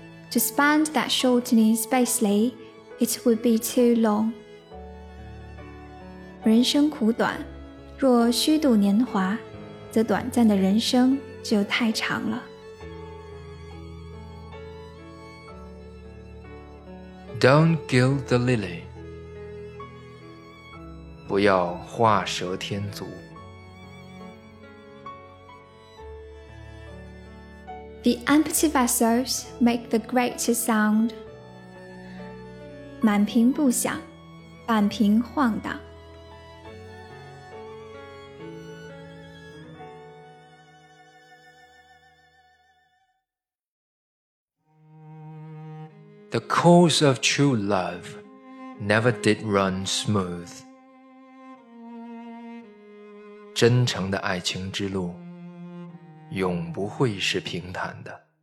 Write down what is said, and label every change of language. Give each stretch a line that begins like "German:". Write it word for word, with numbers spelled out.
English: To spend that shortness basely, it would be too long.
Chinese: 人生苦短，若虚度年华，则短暂的人生就太长了。
English: Don't gild the lily.
Chinese: 不要画蛇添足。
English: The empty vessels make the greatest sound.
Chinese: 满瓶不响，半瓶晃荡。
English: The course of true love never did run smooth.
Chinese: 真诚的爱情之路永不会是平坦的。